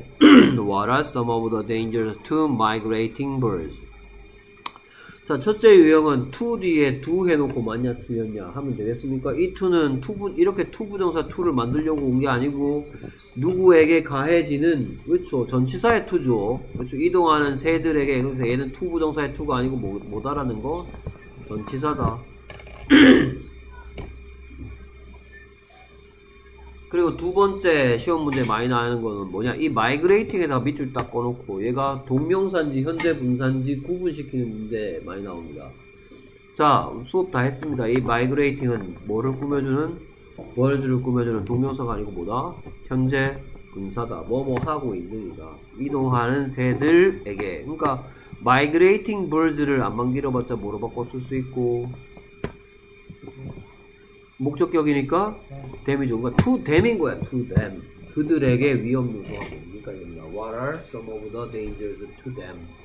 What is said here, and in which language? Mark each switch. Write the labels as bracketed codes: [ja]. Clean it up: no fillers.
[en] What are some of the dangers to migrating birds? [ko] 자, 첫째 유형은 to 뒤에 do 해놓고 맞냐 틀렸냐 하면 되겠습니까? 이 to는 to부, 이렇게 to 부정사 to를 만들려고 온 게 아니고 누구에게 가해지는, 그렇죠, 전치사의 to죠. 그렇죠. 이동하는 새들에게. 그래서 얘는 to 부정사의 to가 아니고 뭐다라는 거? 전치사다. 그리고 두 번째 시험 문제 많이 나오는 거는 뭐냐, 이 마이그레이팅에다가 밑줄 딱 꺼놓고 얘가 동명사인지 현재 분사인지 구분시키는 문제 많이 나옵니다. 자, 수업 다 했습니다. 이 마이그레이팅은 뭐를 꾸며주는? 버즈를 꾸며주는 동명사가 아니고 뭐다? 현재 분사다. 뭐뭐 하고 있는이다. 이동하는 새들에게. 그러니까 마이그레이팅 버즈를 안만 길어봤자 뭐로 바꿔 쓸 수 있고, 목적격이니까 them이죠. 그러니까 to them인 거야. to them. 그들에게 위험 요소가 뭡니까? [en] What are some of the dangers to them?